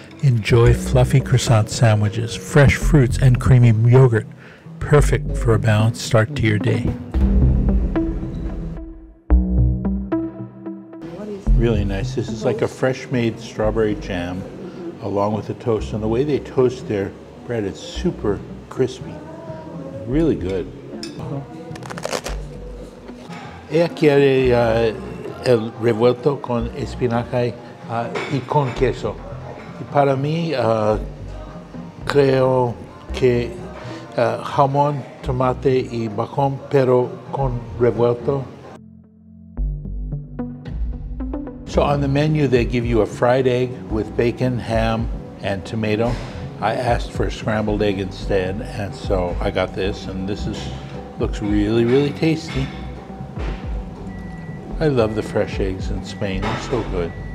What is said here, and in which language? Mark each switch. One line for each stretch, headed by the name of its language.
English: Enjoy fluffy croissant sandwiches, fresh fruits, and creamy yogurt, perfect for a balanced start to your day. Really nice. This is like a fresh-made strawberry jam along with the toast. And the way they toast their bread, it's super crispy. Really good.
Spanish: Ella quiere el revuelto con espinaca y con queso. Y para mí, creo que jamón, tomate y bacon, pero con revuelto.
English: So on the menu, they give you a fried egg with bacon, ham, and tomato. I asked for a scrambled egg instead, and so I got this, and this looks really, really tasty. I love the fresh eggs in Spain, they're so good.